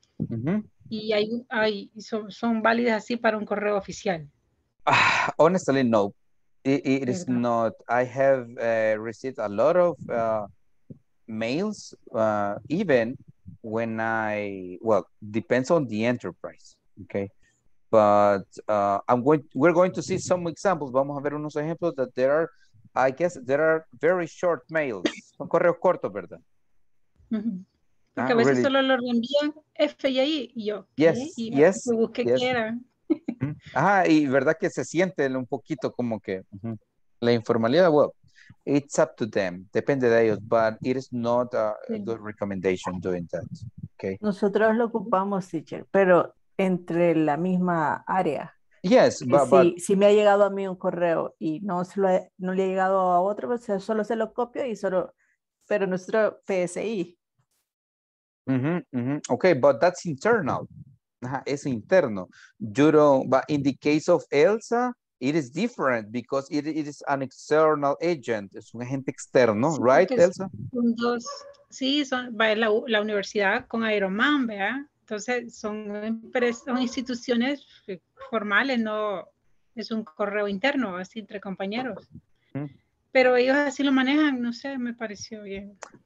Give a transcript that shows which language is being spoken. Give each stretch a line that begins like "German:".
Spanish: Uh-huh. Y hay son válidas así para un correo oficial.
English: Honestly, no. It is not. I have received a lot of mails, even when I, well, depends on the enterprise, okay? But we're going to see some examples. Vamos a ver unos ejemplos that there are, I guess, there are very short mails.
Spanish: Son correos cortos, ¿verdad? Porque a veces solo lo reenvían F y I y yo.
English: Yes,
Spanish: y
English: yes.
Spanish: Y busqué
English: yes.
Spanish: Que era. Ajá, y verdad que se siente un poquito como que la informalidad, well, it's up to them.
English: Depende de ellos, but it is not a good recommendation doing that. Okay.
Spanish: Nosotros lo ocupamos, teacher, pero... entre la misma área.
English: Yes,
Spanish: si me ha llegado a mí un correo y no le ha llegado a otro, pues solo se lo copio y solo, pero nuestro PSI.
English: Mm-hmm, mm-hmm. Okay, but that's internal. Ajá, es interno. You don't, but in the case of Elsa, it is different because it is an external agent.
Spanish: Es un agente externo, sí, right, Elsa? Son dos, sí, la universidad con Aeromán, ¿verdad? Entonces, son instituciones formales, no es un correo interno, así entre compañeros. Pero ellos así lo manejan, no sé, me pareció bien.